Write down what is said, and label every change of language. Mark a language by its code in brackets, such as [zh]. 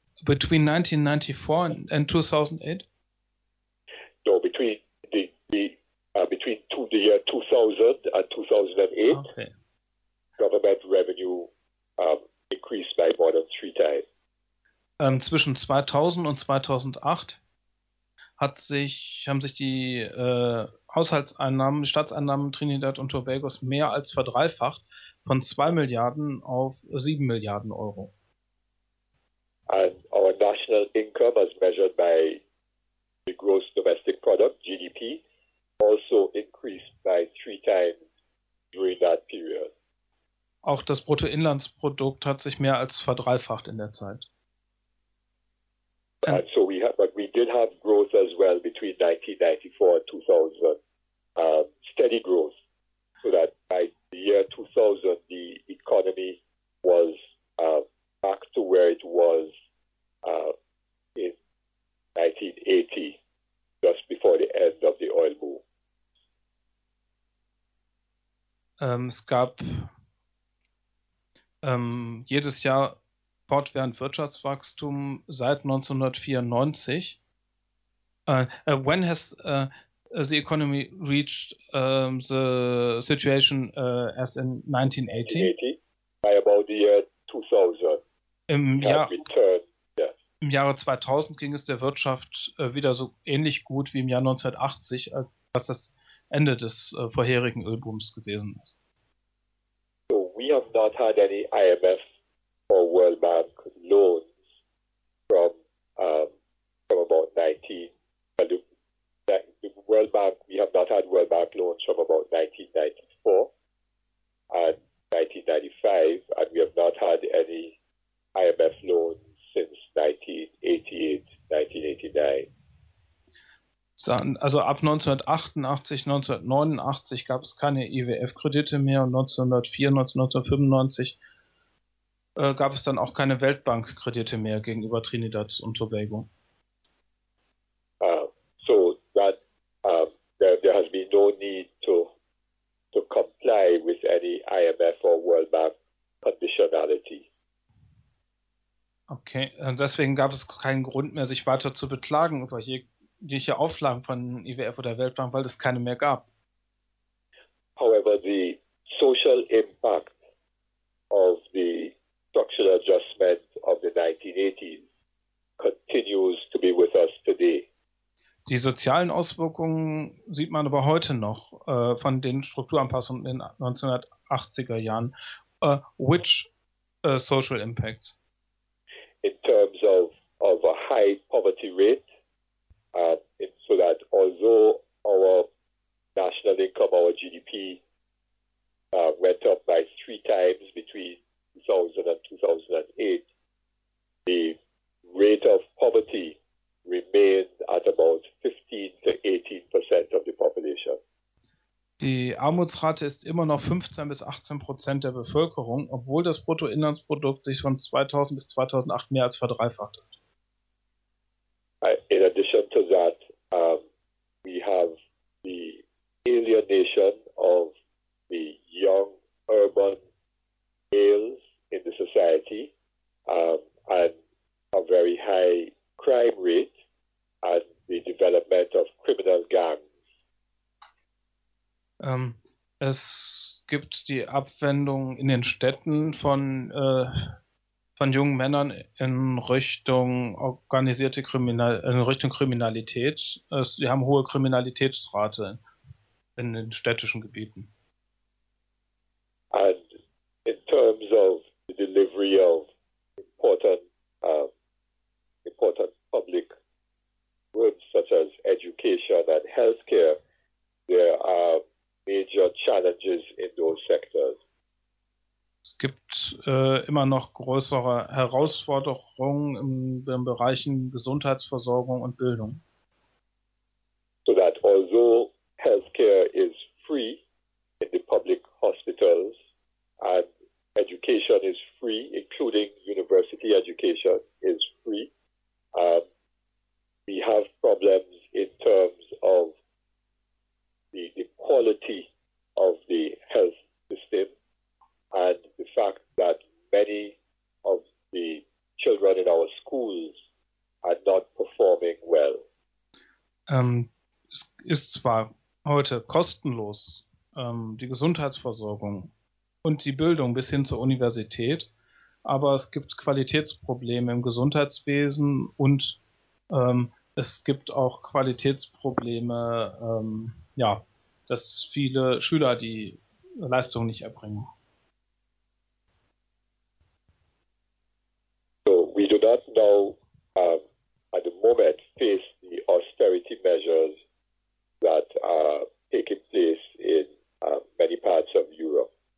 [en] Between 1994 and 2008? No, between the year 2000 and 2008. Okay. government revenue increased by more than three times. [de] Zwischen 2000 und 2008 haben sich die Haushaltseinnahmen, Staatseinnahmen Trinidad und Tobagos mehr als verdreifacht, von 2 Milliarden auf 7 Milliarden Euro. [en] And our national income as measured by the gross domestic product, GDP, also increased by three times during that period. [de] Auch das Bruttoinlandsprodukt hat sich mehr als verdreifacht in der Zeit. [en] And so we did have growth as well between 1994 and 2000, steady growth, so that by the year 2000 the economy was back to where it was in 1980, just before the end of the oil boom. [de] Es gab jedes Jahr fortwährend Wirtschaftswachstum seit 1994. [en] When has the economy reached the situation as in 1980? By about the year 2000. [de] Im Jahre 2000 ging es der Wirtschaft wieder so ähnlich gut wie im Jahr 1980, als das Ende des vorherigen Ölbooms gewesen ist. [en] So we have not had any IMF or World Bank loans from about 19. We have not had World Bank loans from about 1994 and 1995, and we have not had any IMF loans since 1988, 1989. [de] Also ab 1988, 1989 gab es keine IWF-Kredite mehr und 1995 gab es dann auch keine Weltbank-Kredite mehr gegenüber Trinidad und Tobago. [en] So that there has been no need to comply with any IMF or World Bank conditionality. [de] Okay, deswegen gab es keinen Grund mehr, sich weiter zu beklagen über die Auflagen von IWF oder Weltbank, weil es keine mehr gab. [en] However, the social impact of the structural adjustment of the 1980s continues to be with us today. [de] Die sozialen Auswirkungen sieht man aber heute noch von den Strukturanpassungen in den 1980er Jahren. [en] Which social impact? In terms of a high poverty rate. So that although our national income, our GDP, went up by three times between 2000 and 2008, the rate of poverty remained at about 15 to 18% of the population. [de] Die Armutsrate ist immer noch 15 bis 18% der Bevölkerung, obwohl das Bruttoinlandsprodukt sich von 2000 bis 2008 mehr als verdreifacht hat. [en] In addition to that, we have the alienation of the young urban males in the society, and a very high crime rate and the development of criminal gangs. [de] Es gibt die Abwendung in den Städten von jungen Männern in Richtung Kriminalität. Sie haben hohe Kriminalitätsrate in den städtischen Gebieten. [en] And in terms of the delivery of important public goods such as education and healthcare, there are major challenges in those sectors. [de] Es gibt immer noch größere Herausforderungen in Bereichen Gesundheitsversorgung und Bildung. [en] So that although healthcare is free in the public hospitals and education is free, including university education is free, we have problems in terms of the quality of the health system. And the fact that many of the children in our schools are not performing well. [de] Es ist zwar heute kostenlos, die Gesundheitsversorgung und die Bildung bis hin zur Universität. Aber es gibt Qualitätsprobleme im Gesundheitswesen und es gibt auch Qualitätsprobleme, dass viele Schüler die Leistung nicht erbringen. [en] So, we do not know at the moment face the austerity measures that are taking place in many parts of Europe.